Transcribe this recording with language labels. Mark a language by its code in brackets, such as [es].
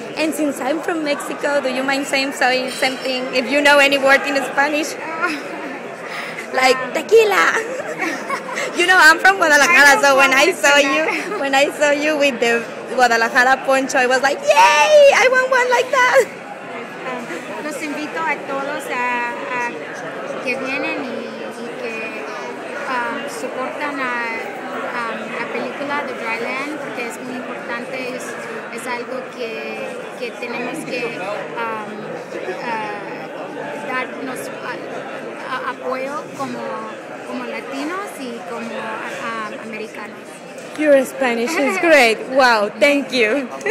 [en] And since I'm from Mexico, do you mind saying something, if you know any word in Spanish? Like, tequila! You know, I'm from Guadalajara, so when I saw you with the Guadalajara poncho, I was like, yay! I want one like that! [es] Los invito a todos a que vienen y que soportan a película The Dry Land, porque es muy importante, es algo que tenemos que darnos apoyo como latinos y como americanos. [en] Your Spanish is great. Wow, thank you.